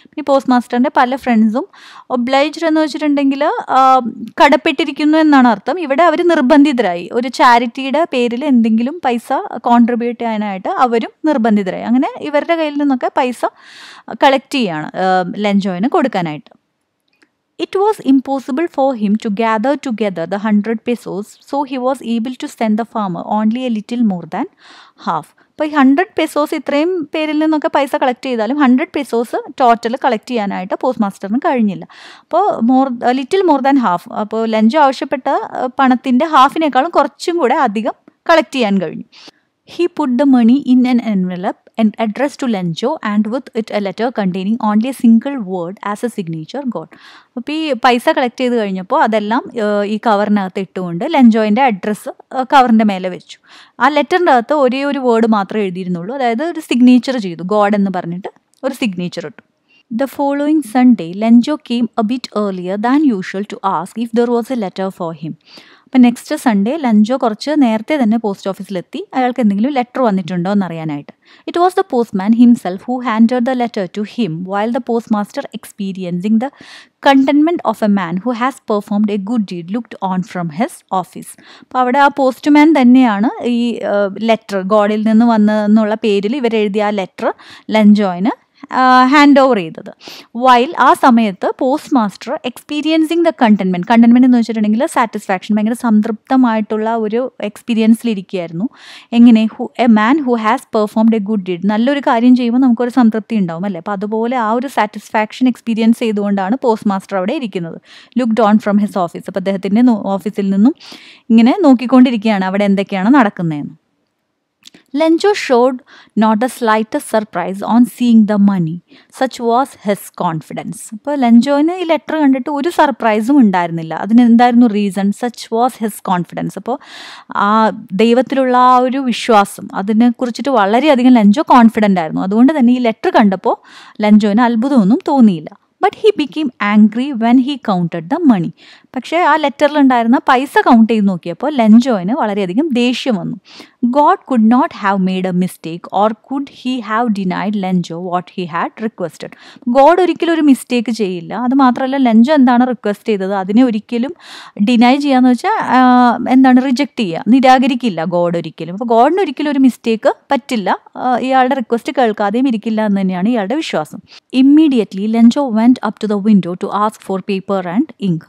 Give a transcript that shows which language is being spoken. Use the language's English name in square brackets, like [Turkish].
[Malayalam] ഈ പോസ്റ്റ് മാസ്റ്ററിൻ്റെ പല ഫ്രണ്ട്സും ഒബ്ലൈജ്ഡ് എന്ന് വെച്ചിട്ടുണ്ടെങ്കിൽ കടപ്പെട്ടിരിക്കുന്നു എന്നാണ് അർത്ഥം. ഇവിടെ അവർ നിർബന്ധിതരായി, ഒരു ചാരിറ്റിയുടെ പേരിൽ എന്തെങ്കിലും പൈസ കോൺട്രിബ്യൂട്ട് ചെയ്യാനായിട്ട് അവരും നിർബന്ധിതരായി. അങ്ങനെ ഇവരുടെ കയ്യിൽ നിന്നൊക്കെ പൈസ കളക്ട് ചെയ്യുകയാണ് ലഞ്ചോയിന് കൊടുക്കാനായിട്ട്. [English] It was impossible for him to gather together the 100 pesos, so he was able to send the farmer only a little more than half. [Malayalam] അപ്പോൾ ഈ 100 pesos ഇത്രയും പേരിൽ നിന്നൊക്കെ പൈസ കളക്ട് ചെയ്താലും 100 pesos ടോട്ടൽ കളക്ട് ചെയ്യാനായിട്ട് പോസ്റ്റ് മാസ്റ്ററിന് കഴിഞ്ഞില്ല. അപ്പോൾ [English] little more than half, [Malayalam] അപ്പോൾ ലഞ്ചോ ആവശ്യപ്പെട്ട പണത്തിൻ്റെ ഹാഫിനേക്കാളും കുറച്ചും കൂടെ അധികം കളക്ട് ചെയ്യാൻ കഴിഞ്ഞു. [English] He put the money in an envelope and addressed to Lencho and with it a letter containing only a single word as a signature God. [Malayalam] അപ്പോൾ ഈ പൈസ കളക്ട് ചെയ്ത് കഴിഞ്ഞപ്പോൾ അതെല്ലാം ഈ കവറിനകത്ത് ഇട്ടുകൊണ്ട് ലെഞ്ചോയിൻ്റെ അഡ്രസ്സ് കവറിൻ്റെ മേലെ വെച്ചു. ആ ലെറ്ററിൻ്റെ അകത്ത് ഒരേ ഒരു വേർഡ് മാത്രമേ എഴുതിയിരുന്നുള്ളൂ, അതായത് ഒരു സിഗ്നേച്ചർ ചെയ്തു ഗോഡ് എന്ന് പറഞ്ഞിട്ട് ഒരു സിഗ്നേച്ചർ ഇട്ടു. [English] The following Sunday, Lencho came a bit earlier than usual to ask if there was a letter for him. [Malayalam] അപ്പം നെക്സ്റ്റ് സൺഡേ ലഞ്ചോ കുറച്ച് നേരത്തെ തന്നെ പോസ്റ്റ് ഓഫീസിലെത്തി അയാൾക്ക് എന്തെങ്കിലും ലെറ്റർ വന്നിട്ടുണ്ടോ എന്നറിയാനായിട്ട്. [English] It was the postman himself who handed the letter to him while the post master experiencing the contentment of a man who has performed a good deed looked on from his office. [Malayalam] അപ്പോൾ അവിടെ ആ postman തന്നെയാണ് ഈ letter ഗോഡിൽ നിന്ന് വന്നെന്നുള്ള പേരിൽ ഇവരെഴുതിയ ആ letter ലഞ്ചോയിന് hand over ചെയ്തത്. While ആ സമയത്ത് post master [English] experiencing the contentment, [Malayalam] contentment എന്ന് വെച്ചിട്ടുണ്ടെങ്കിൽ സാറ്റിസ്ഫാക്ഷൻ, ഭയങ്കര സംതൃപ്തമായിട്ടുള്ള ഒരു എക്സ്പീരിയൻസിലിരിക്കുകയായിരുന്നു. എങ്ങനെ [English] a man who has performed a good deed, [Malayalam] നല്ലൊരു കാര്യം ചെയ്യുമ്പോൾ നമുക്കൊരു സംതൃപ്തി ഉണ്ടാവും അല്ലേ. അപ്പോൾ അതുപോലെ ആ ഒരു സാറ്റിസ്ഫാക്ഷൻ എക്സ്പീരിയൻസ് ചെയ്തുകൊണ്ടാണ് പോസ്റ്റ് മാസ്റ്റർ അവിടെ ഇരിക്കുന്നത്. [English] looked on from his office, [Malayalam] അപ്പോൾ അദ്ദേഹത്തിൻ്റെ ഓഫീസിൽ നിന്നും ഇങ്ങനെ നോക്കിക്കൊണ്ടിരിക്കുകയാണ് അവിടെ എന്തൊക്കെയാണ് നടക്കുന്നതെന്ന്. [English] Lencho showed not the slightest surprise on seeing the money. Such was his confidence. [Malayalam] അപ്പോൾ ലെഞ്ചോയിന് ഈ ലെറ്റർ കണ്ടിട്ട് ഒരു സർപ്രൈസും ഉണ്ടായിരുന്നില്ല. അതിനെന്തായിരുന്നു reason? [English] Such was his confidence. [Malayalam] അപ്പോൾ ആ ദൈവത്തിലുള്ള ആ ഒരു വിശ്വാസം, അതിനെ കുറിച്ചിട്ട് വളരെയധികം ലെഞ്ചോ കോൺഫിഡൻ്റ് ആയിരുന്നു. അതുകൊണ്ട് തന്നെ ഈ ലെറ്റർ കണ്ടപ്പോൾ ലെഞ്ചോയിന് അത്ഭുതമൊന്നും തോന്നിയില്ല. [English] But he became angry when he counted the money. [Malayalam] പക്ഷേ ആ ലെറ്ററിൽ ഉണ്ടായിരുന്ന പൈസ കൗണ്ട് ചെയ്ത് നോക്കിയപ്പോൾ ലെഞ്ചോയിന് വളരെയധികം ദേഷ്യം വന്നു. [English] God could not have made a mistake or could he have denied Lencho what he had requested. [Malayalam] God ഒരിക്കലും ഒരു മിസ്റ്റേക്ക് ചെയ്യില്ല. അത് മാത്രമല്ല ലെഞ്ചോ എന്താണ് റിക്വസ്റ്റ് ചെയ്തത് അതിനെ ഒരിക്കലും ഡിനൈ ചെയ്യാന്ന് വെച്ചാൽ എന്താണ് റിജക്റ്റ് ചെയ്യുക, നിരാകരിക്കില്ല ഗോഡ് ഒരിക്കലും. അപ്പോൾ ഗോഡിന് ഒരിക്കലും ഒരു മിസ്റ്റേക്ക് പറ്റില്ല, ഇയാളുടെ റിക്വസ്റ്റ് കേൾക്കാതെയും ഇരിക്കില്ല എന്ന് തന്നെയാണ് ഇയാളുടെ വിശ്വാസം. [English] Immediately Lencho went up to the window to ask for paper and ink.